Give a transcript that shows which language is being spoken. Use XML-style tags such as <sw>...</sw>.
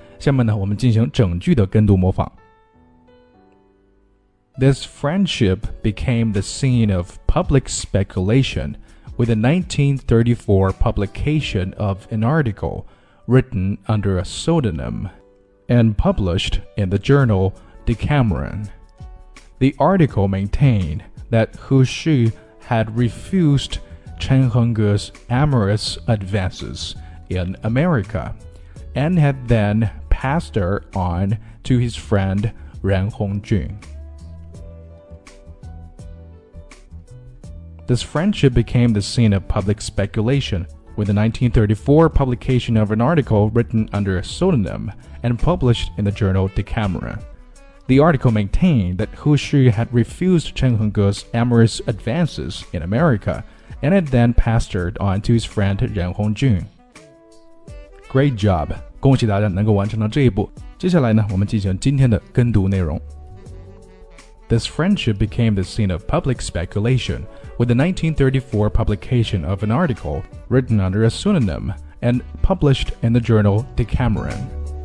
<zh>下面呢，我们进行整句的跟读模仿。</zh> <en>This friendship became the scene of public speculation with a 1934 publication of an article written under a pseudonym and published in the journal Decameron. The article maintained that Hu Shi had refused Chen Hongge's amorous advances in America and had then. Passed her on to his friend Ren Hongjun. This friendship became the scene of public speculation with the 1934 publication of an article written under a pseudonym and published in the journal Decameron. The article maintained that Hu Shi had refused Chen Hongge's amorous advances in America and had then passed her on to his friend Ren Hongjun. Great job!</en> <zh>恭喜大家能够完成到这一步。接下来呢，我们进行今天的跟读内容。</zh> <en>This friendship became the scene of public speculation with the 1934 publication of an article written under a pseudonym and published in the journal Decameron.</en>